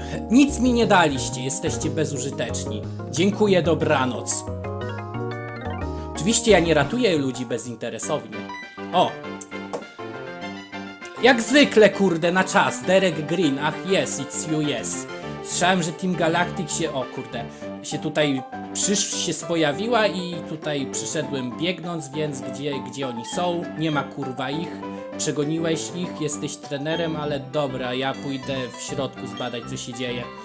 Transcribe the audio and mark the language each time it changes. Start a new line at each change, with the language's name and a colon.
Polish: Nic mi nie daliście, jesteście bezużyteczni. Dziękuję, dobranoc. Oczywiście ja nie ratuję ludzi bezinteresownie. O! Jak zwykle, kurde, na czas.
English: Derek Green, ach yes, it's you, yes.
Polish: Słyszałem, że Team Galactic się... O kurde, się tutaj... się pojawiła i tutaj przyszedłem biegnąc, więc gdzie oni są? Nie ma kurwa ich. Przegoniłeś ich, jesteś trenerem, ale dobra, ja pójdę w środku zbadać, co się dzieje.